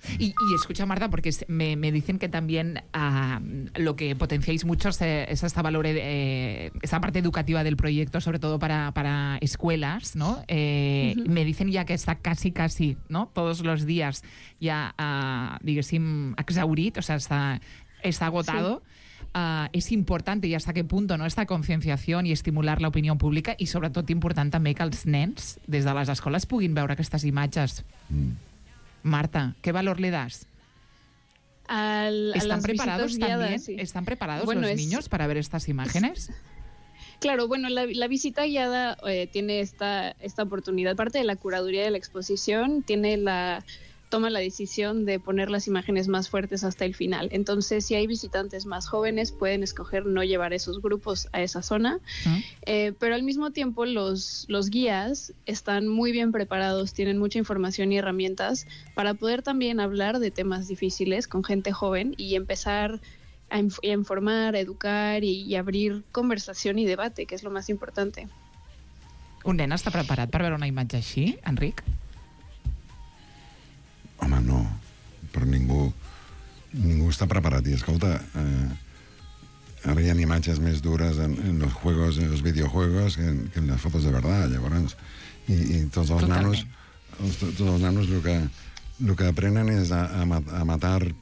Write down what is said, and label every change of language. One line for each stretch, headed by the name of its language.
Spanish: Y escucha, Marta, porque me dicen que también lo que potenciáis mucho es esta valor, esa parte educativa del proyecto, sobre todo para escuelas, ¿no? Me dicen ya que está casi, ¿no? Todos los días ya, exhaurit, o sea, está agotado. Sí.
Catalan: És important i
Spanish: hasta qué punto, no, esta
Catalan: concienciació i estimular la opinió pública i sobretot important també que els nens des de les escoles puguin veure aquestes imatges. Marta, què valor li das?
Spanish: ¿Están preparados guiadas, también? Sí. ¿Están preparados bueno, los es... niños para ver estas imágenes? Claro, bueno, la visita guiada tiene esta oportunidad. Parte de la curaduría de la exposición tiene la... toma la decisión de poner las imágenes más fuertes hasta el final. Entonces, si hay visitantes más jóvenes, pueden escoger no llevar esos grupos a esa zona. Pero al mismo tiempo, los guías están muy bien preparados, tienen mucha información y herramientas para poder también hablar de temas difíciles con gente joven y empezar a informar, a educar y abrir conversación y debate, que es lo más importante. ¿Un nen está preparado para ver una imagen así, Enric?
Catalan: Home, no, però ningú està preparat. I escolta, ara hi ha imatges més dures en els
Spanish: videojuegos
Catalan: que en les fotos
Spanish: de verdad,
Catalan: llavors. I tots els nanos el que aprenen és a matar